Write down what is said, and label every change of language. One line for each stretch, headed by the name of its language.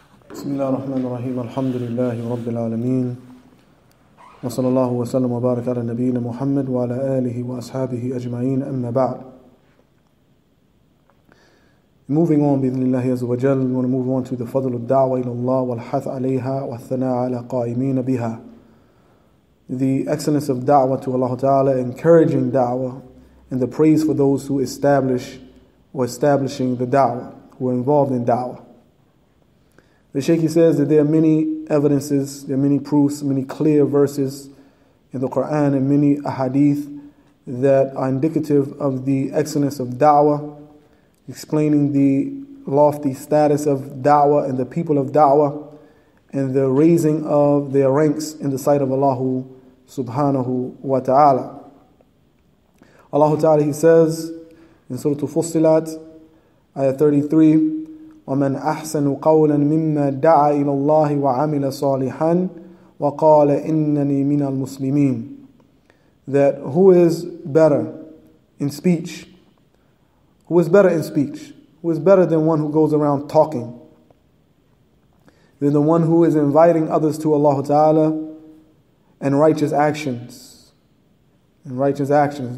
Arabic: بسم الله الرحمن الرحيم الحمد لله رب العالمين وصلى الله وسلم وبارك على نبينا محمد وعلى آله وأصحابه أجمعين أما بعد.
English: Moving on
Arabic: بإذن الله عز وجل,
English: we want to move on to the
Arabic: فضل الدعوة إلى الله والحث عليها والثناء على قائمين بها.
English: The excellence of دعوة to Allah Ta'ala, encouraging دعوة and the praise for those who establish or establishing the دعوة, who are involved in دعوة. The Shaykh says that there are many evidences, there are many proofs, many clear verses in the Quran and many ahadith that are indicative of the excellence of da'wah, explaining the lofty status of da'wah and the people of da'wah and the raising of their ranks in the sight of Allah subhanahu wa ta'ala. Allah ta'ala, he says in Surah Fussilat, ayah 33,
Arabic: وَمَنْ أَحْسَنُ قَوْلًا مِمَّا دَعَى إِلَى اللَّهِ وَعَمِلَ صَالِحًا وَقَالَ إِنَّنِي مِنَ الْمُسْلِمِينَ.
English: That who is better in speech? Who is better in speech? Who is better than one who goes around talking? Than the one who is inviting others to Allah Ta'ala and righteous actions. And righteous actions.